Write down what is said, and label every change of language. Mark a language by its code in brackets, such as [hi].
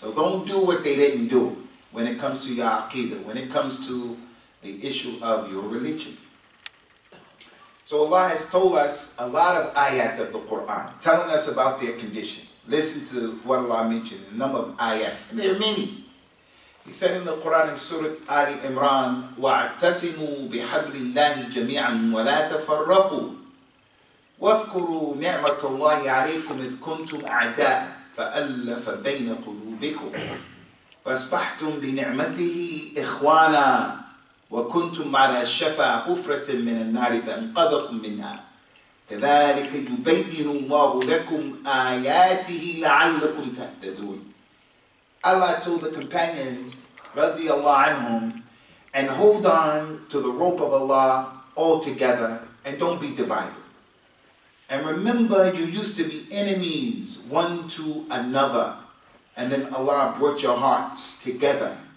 [en] So don't do what they didn't do when it comes to your aqidah, when it comes to the issue of your religion. So Allah has told us a lot of ayat of the Qur'an, telling us about their condition. Listen to what Allah mentioned, the number of ayat, and there are many. He said in the Qur'an in Surah Ali Imran, [ar] وَاعْتَسِمُوا بِحَبْلِ اللَّهِ جَمِيعًا وَلَا تَفَرَّقُوا وَاذْكُرُوا نِعْمَةُ اللَّهِ عَلَيْكُمْ إِذْ كُنْتُمْ أَعْدَاءً فَأَلَّفَ بَيْنَ قُلُوبِكُمْ فَاسْبَحْتُمْ بِنِعْمَتِهِ إِخْوَانًا وَكُنْتُمْ عَلَى شَفَا حُفْرَةٍ مِنَ النَّارِ فَانْقَذَكُمْ مِنْهَا كَذَلِكَ يُبَيِّنُ اللَّهُ لَكُمْ آيَاتِهِ لَعَلَّكُمْ تَهْتَدُونَ. [en] Allah told the companions, radiallahu anhum, and hold on to the rope of Allah all together and don't be divided. And remember, you used to be enemies one to another, and then Allah brought your hearts together.